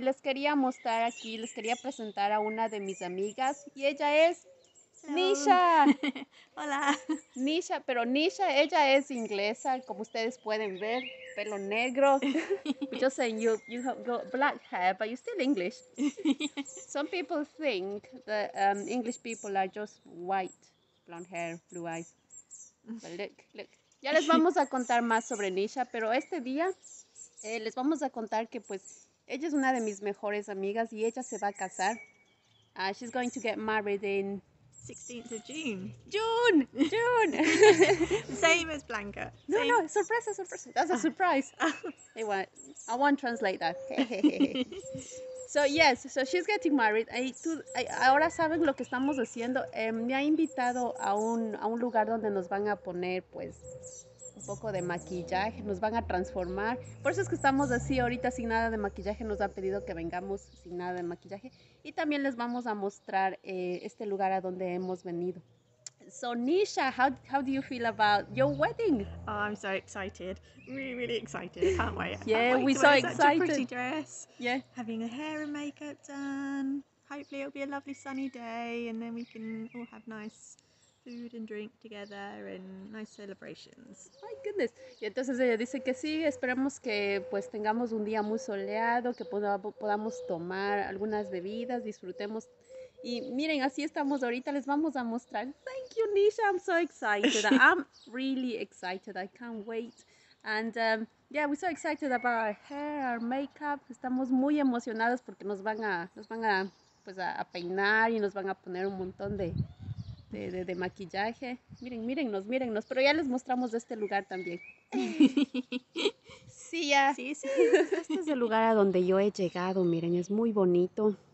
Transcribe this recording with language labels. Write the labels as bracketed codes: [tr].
[es] Les quería mostrar aquí, les quería presentar a una de mis amigas y ella es Nisha. Hola. Nisha, pero Nisha, ella es inglesa, como ustedes pueden ver, pelo negro. [en] Just saying, you have got black hair, but you're still English. Some people think that English people are just white, blonde hair, blue eyes. But look. [es] Ya les vamos a contar más sobre Nisha, pero este día les vamos a contar que pues ella es una de mis mejores amigas y ella se va a casar. [en] She's going to get married in 16th of June. June. Same as Blanca. No, surprise. That's a surprise. Anyway, I won't translate that. So yes, so she's getting married. [es] Ahora saben lo que estamos haciendo. Me ha invitado a un lugar donde nos van a poner pues un poco de maquillaje, nos van a transformar. Por eso es que estamos así ahorita sin nada de maquillaje. Nos han pedido que vengamos sin nada de maquillaje. Y también les vamos a mostrar este lugar a donde hemos venido. [en] So Nisha, how do you feel about your wedding? Oh, I'm so excited. Really, really excited. Can't wait. Yeah, we're so excited. Such a pretty dress. Yeah. Having the hair and makeup done. Hopefully it'll be a lovely sunny day and then we can all have nice food and drink together and nice celebrations. My goodness. [es] Y entonces ella dice que sí, esperemos que pues tengamos un día muy soleado, que podamos tomar algunas bebidas, disfrutemos. Y miren, así estamos ahorita, les vamos a mostrar. [en] Thank you, Nisha. I'm so excited. I'm really excited. I can't wait. And yeah, we're so excited about our hair, our makeup. [es] Estamos muy emocionadas porque nos van a peinar y nos van a poner un montón de maquillaje. Mírennos, pero ya les mostramos de este lugar también. Sí, ya. Sí. Este es el lugar a donde yo he llegado, miren, es muy bonito.